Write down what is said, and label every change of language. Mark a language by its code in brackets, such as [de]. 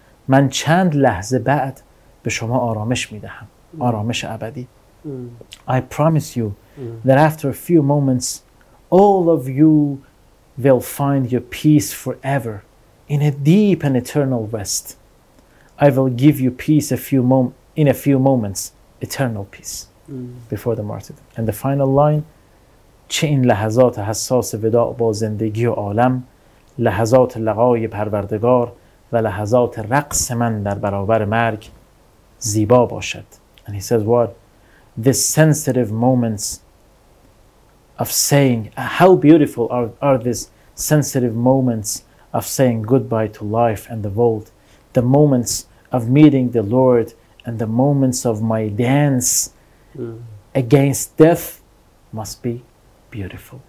[fa] من چند لحظه بعد به شما آرامش میدهم. آرامش ابدی. [en] I promise you that after a few moments, all of you will find your peace forever in a deep and eternal rest. I will give you peace in a few moments, eternal peace before the martyrdom. And the final line, [fa] چه این لحظات حساس وداع با زندگی و عالم لحظات لقای پروردگار و لحظات رقص من در برابر مرگ زیبا باشد. [en] And he says what? The sensitive moments of saying, how beautiful are these sensitive moments of saying goodbye to life and the world, the moments of meeting the Lord and the moments of my dance against death must be beautiful.